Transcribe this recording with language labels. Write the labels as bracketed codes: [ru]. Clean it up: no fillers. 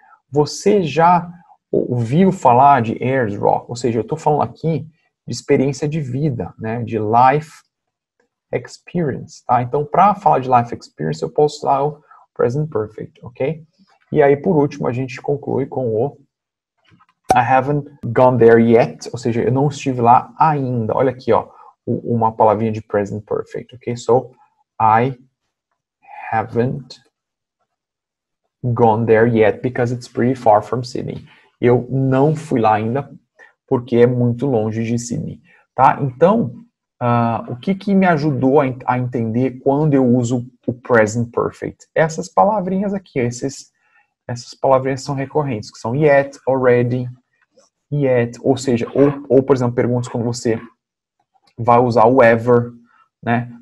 [pt] Você já ouviu falar de Ayers Rock? Ou seja, eu estou falando aqui de experiência de vida, né, de [en] life experience, [pt] tá? Então, para falar de life experience, eu posso usar o present perfect, ok? E aí, por último, a gente conclui com o [en] I haven't gone there yet, [pt] ou seja, eu não estive lá ainda. Olha aqui, ó, uma palavrinha de present perfect, ok? [en] So, I haven't gone there yet because it's pretty far from Sydney. [pt] Eu não fui lá ainda porque é muito longe de Sydney, tá? Então, o que que me ajudou a entender quando eu uso o present perfect? Essas palavrinhas aqui, essas palavrinhas são recorrentes, que são yet, already, yet, ou seja, ou por exemplo, perguntas quando você vai usar o ever, né?